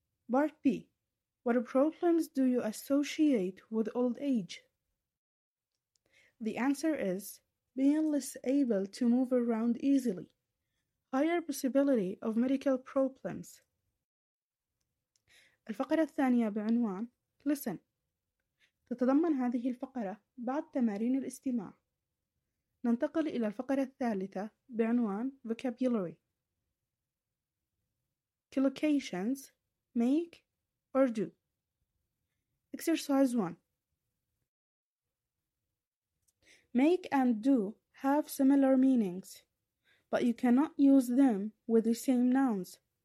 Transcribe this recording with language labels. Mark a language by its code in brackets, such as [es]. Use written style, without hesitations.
[en] Part B, what problems do you associate with old age? The answer is being less able to move around easily, higher possibility of medical problems. [ar] الفقرة الثانية بعنوان Listen. تتضمن هذه الفقرة بعض تمارين الاستماع. ننتقل إلى الفقرة الثالثة بعنوان Vocabulary. [en] Collocations, make or do. Exercise 1. Make and do have similar meanings, but you cannot use them with the same nouns.